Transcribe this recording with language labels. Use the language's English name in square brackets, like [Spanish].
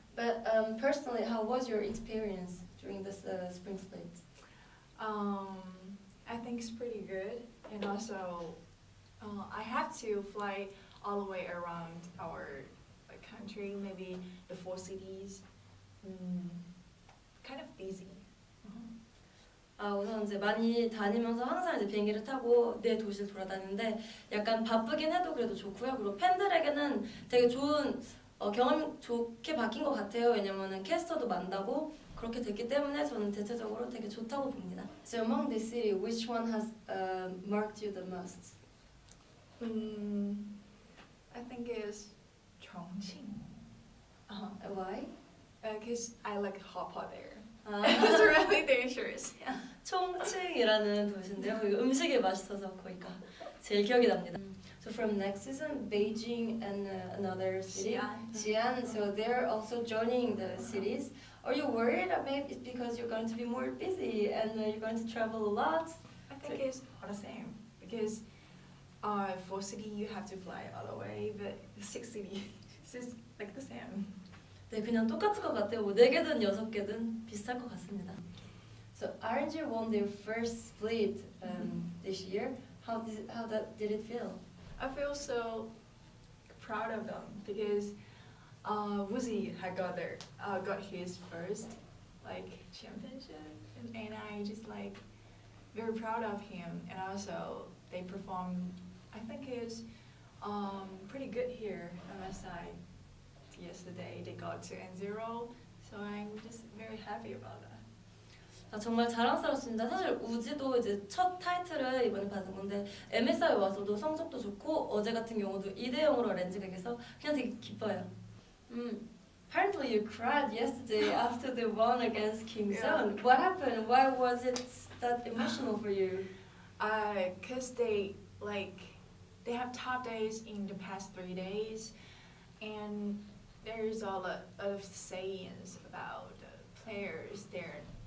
[English] But personally, how was your experience during this spring split? I think it's pretty good. And also, I have to fly all the way around our country, maybe the four cities. Kind of busy. [Korean] 아, 우선 이제 많이 다니면서 항상 이제 비행기를 타고 내 도시를 돌아다니는데 약간 바쁘긴 해도 그래도 좋고요. 그리고 팬들에게는 되게 좋은 경험 좋게 바뀐 것 같아요. 왜냐면은 캐스터도 만나고 그렇게 됐기 때문에 저는 대체적으로 되게 좋다고 봅니다. [English] So among the city, which one has marked you the most? I think it's Chongqing. Why? Because I like hot pot there. It's really dangerous. [Korean] 총칭이라는 도시인데요. 음식이 맛있어서 거기가 제일 기억이 납니다. [English] So from next season, Beijing and another city, Xi'an. So they're also joining the cities. Are you worried about it because you're going to be more busy and you're going to travel a lot? I think it's all the same because four city you have to fly all the way, but six city is like the same. [Korean] 네, 그냥 똑같은 것 같아요. 뭐 네 개든 여섯 개든 비슷할 것 같습니다. [English] So RNG won their first split this year. How did it feel? I feel so proud of them because Woozy had got his first like championship, and I just like very proud of him. And also they performed, I think it's pretty good here at MSI. Yesterday they got 2-0, so I'm just very happy about that. [Korean] 아, 정말 자랑스럽습니다. 사실 우지도 이제 첫 타이틀을 이번에 받은 건데 MSI 와서도 성적도 좋고 어제 같은 경우도 2-0으로 렌즈에게서 그냥 되게 기뻐요. [English] Apparently you cried yesterday after the won against Kim Sun. Yeah. What happened? Why was it that emotional for you? Because they have tough days in the past 3 days, and there is a lot of sayings about the players there.